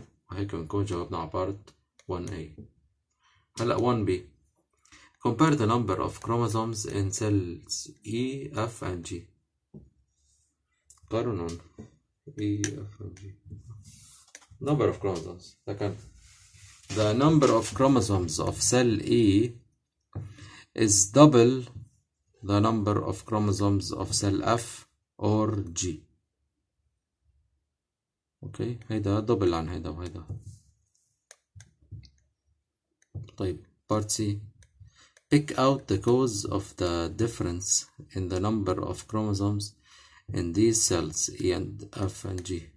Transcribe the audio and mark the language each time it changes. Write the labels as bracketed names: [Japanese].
[Arabic] وهيك بنكون جاوبنا على part 1A. هلا 1B. [English] Compare the number of chromosomes in cells E, F, and G. [Arabic] قارنوا [English] E, F, and G. Number of chromosomes. [Arabic] لكن [English] the number of chromosomes of cell E is double the number of chromosomes of cell F or G. [Arabic] Okay, هيدا دبل عن هيدا وهيدا. طيب part C. [English] Pick out the cause of the difference in the number of chromosomes in these cells E and F and G.